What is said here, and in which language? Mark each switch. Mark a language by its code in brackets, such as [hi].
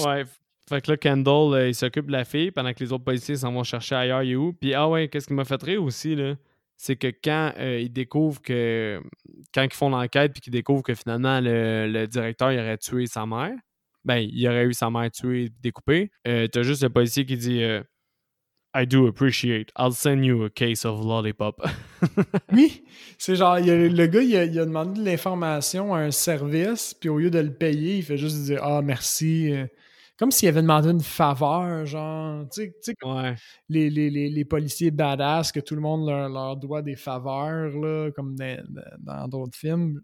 [fr] Ouais, fait que là, Kendall, il s'occupe de la fille pendant que les autres policiers s'en vont chercher ailleurs, il est où. Puis, ah ouais, qu'est-ce qui m'a fait rire aussi, là, c'est que quand ils découvrent que... Quand ils font l'enquête, puis qu'ils découvrent que finalement, le directeur, il aurait tué sa mère, ben, il aurait eu sa mère tuée, découpée, t'as juste le policier qui dit... [en] I do appreciate. I'll send you a case of lollipop. [fr] Oui, c'est genre, le gars, il a demandé de l'information à un service, puis au lieu de le payer, il fait juste dire « Ah, merci ». Comme s'il avait demandé une faveur, genre, tu sais ouais. les policiers badass que tout le monde leur doit des faveurs, là, comme dans d'autres films.